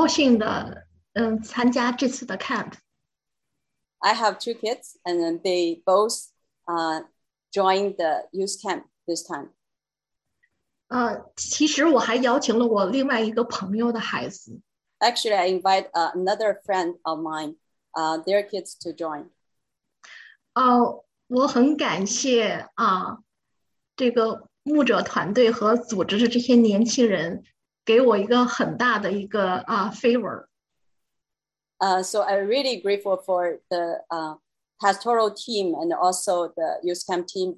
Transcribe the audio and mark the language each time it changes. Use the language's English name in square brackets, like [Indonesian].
[Chinese] 来分享。大家好，我的两个孩子都很高兴的参加这次的 camp. [English] I have two kids, and then they both joined the youth camp this time. [Chinese] 其实我还邀请了我另外一个朋友的孩子。 [English] Actually, I invite another friend of mine, their kids to join. [Chinese] 我很感谢这个牧者团队和组织的这些年轻人给我一个很大的一个favor. [English] So I'm really grateful for the pastoral team and also the youth camp team.